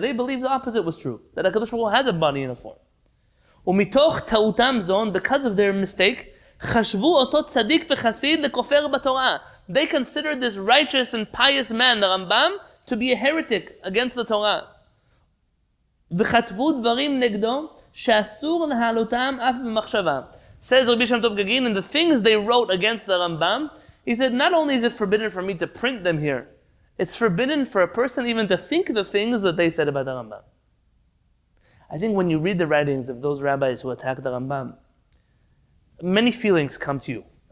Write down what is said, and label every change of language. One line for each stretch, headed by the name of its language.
English: They believe the opposite was true, that HaKadosh Baruch Hu has a body in a form.
Hebrew: Umitoch Ta'utam Zon,
English: because of their mistake,
Hebrew: Chashvu Oto Tzadik V'Chasid LeKofer BaTorah.
English: They considered this righteous and pious man, the Rambam, to be a heretic against the Torah.
Hebrew: וחטפו דברים נגדו שאסור להעלותם אף במחשבה.
English: Says Rabbi Shem Tov Gagin, and the things they wrote against the Rambam, he said, not only is it forbidden for me to print them here, it's forbidden for a person even to think the things that they said about the Rambam. I think when you read the writings of those rabbis who attacked the Rambam, many feelings come to you.